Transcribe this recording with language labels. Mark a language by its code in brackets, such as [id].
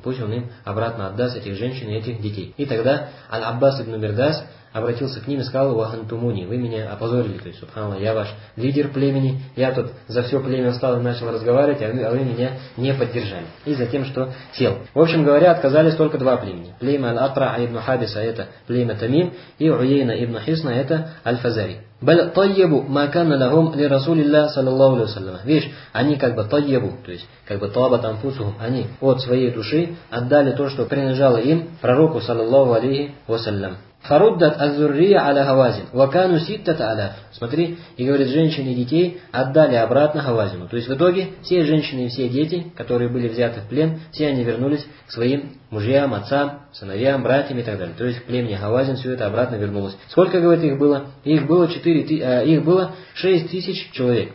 [ru] Пусть он им обратно отдаст этих женщин и этих детей». И тогда Аль-Аббас ибн Мирдас обратился к ним и сказал, «Вахантумуни, вы меня опозорили». То есть, субханаллах, я ваш лидер племени. Я тут за все племя встал и начал разговаривать, а вы меня не поддержали. И затем, что сел. В общем говоря, отказались только два племени. Племя Аль-Акра ибн Хабис, а это племя Тамим. И Уйейна ибн Хисна, это Аль-Фазари. [ar] بل طيبوا ما كان لهم لرسول الله صلى الله عليه وسلم. [ru] Видишь, они как бы طيبوا, то есть как бы [ar] طابت أنفسهم, [ru] они от своей души отдали то, что принадлежало им пророку [ar] صلى الله عليه وسلم. فردت الذرية على هوازن وكانوا ستة آلاف. [ru] Смотри, и говорит, женщины и детей отдали обратно Хавазину. То есть в итоге все женщины и все дети, которые были взяты в плен, все они вернулись к своим мужьям, отцам, сыновьям, братьям и так далее. То есть к племени Хавазин все это обратно вернулось. Сколько, говорит, их было? Их было 6 тысяч человек.